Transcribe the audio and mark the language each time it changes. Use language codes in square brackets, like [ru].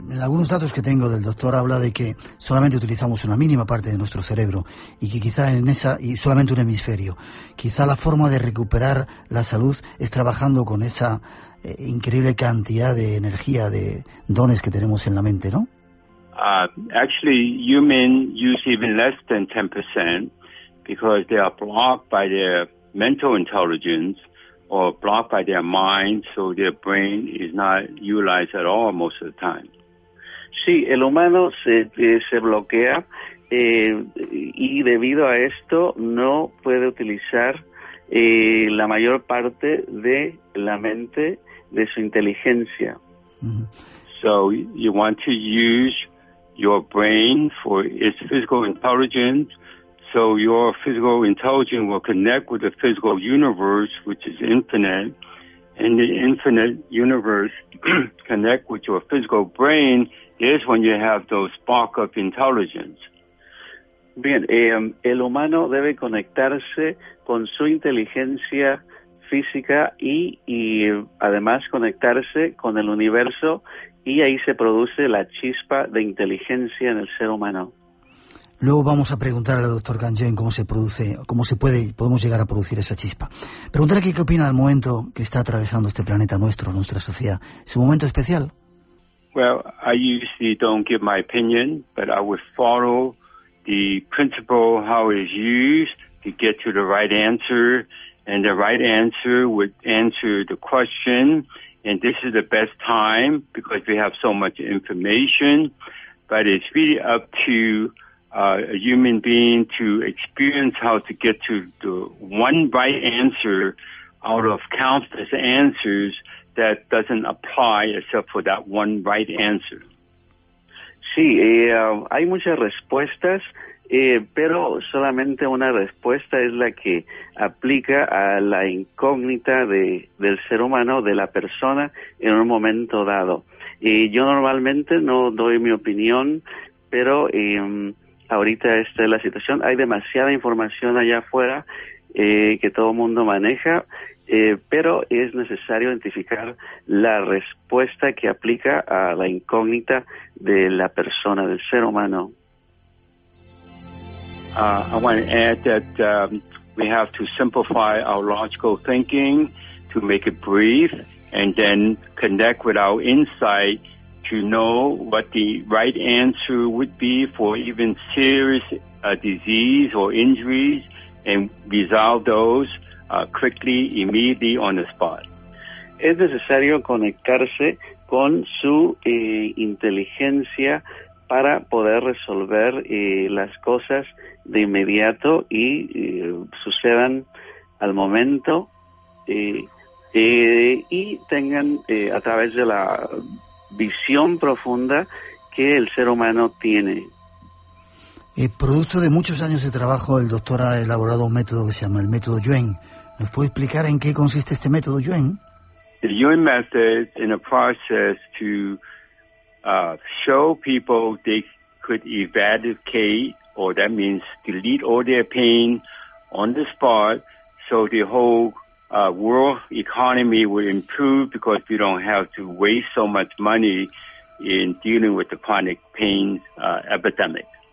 [es] En algunos datos que tengo del doctor habla de que solamente utilizamos una mínima parte de nuestro cerebro y que quizá en esa, y solamente un hemisferio, quizá la forma de recuperar la salud es trabajando con esa increíble cantidad de energía, de dones que tenemos en la mente, ¿no? [en] Actually, you mean use even less than 10% because they are blocked by their mental intelligence or blocked by their mind, so their brain is not utilized at all most of the time. [es] Sí, el humano se bloquea y debido a esto no puede utilizar la mayor parte de la mente, de su inteligencia. [en] So you want to use your brain for its physical intelligence, so your physical intelligence will connect with the physical universe, which is infinite, and the infinite universe connect with your physical brain is when you have those spark of intelligence. [es] Bien, el humano debe conectarse con su inteligencia física y además conectarse con el universo, y ahí se produce la chispa de inteligencia en el ser humano. Luego vamos a preguntar al doctor Ganjen cómo se produce, cómo se puede, podemos llegar a producir esa chispa. Preguntar aquí, ¿qué opina del momento que está atravesando este planeta nuestro, nuestra sociedad? ¿Es un momento especial? [en] Well, I usually don't give my opinion, but I would follow the principle how it is used to get to the right answer, and the right answer would answer the question, and this is the best time because we have so much information, but it's really up to a human being to experience how to get to the one right answer out of countless answers that doesn't apply except for that one right answer. [es] Sí, hay muchas respuestas, pero solamente una respuesta es la que aplica a la incógnita del ser humano, de la persona, en un momento dado. Yo normalmente no doy mi opinión, pero ahorita esta es la situación. Hay demasiada información allá afuera que todo mundo maneja, pero es necesario identificar la respuesta que aplica a la incógnita de la persona, del ser humano. [en] I want to add that we have to simplify our logical thinking to make it brief, and then connect with our insight to know what the right answer would be for even serious disease or injuries, and resolve those quickly, immediately, on the spot. [es] Es necesario conectarse con su inteligencia para poder resolver las cosas de inmediato y sucedan al momento y tengan a través de la visión profunda que el ser humano tiene. Producto de muchos años de trabajo, el doctor ha elaborado un método que se llama el método Yuen. ¿Nos puede explicar en qué consiste este método Yuen? [en] The Yuen method in a process to show people they could eradicate, or that means delete all their pain on the spot, so the whole world economy will improve because we don't have to waste so much money in dealing with the chronic pain epidemic.